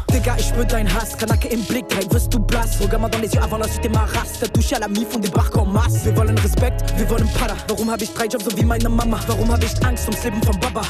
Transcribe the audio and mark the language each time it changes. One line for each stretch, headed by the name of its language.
German: Digga, ich spür dein Hass, Kanake im Blick, rein wirst du blass.
French: Regarde mal dans les yeux avant la suite de ma race. T'as touché à la mif und débarque en masse.
German: Wir wollen Respekt, wir wollen Pada. Warum hab ich 3 Jobs so wie meine Mama? Warum hab ich Angst ums Leben von Baba?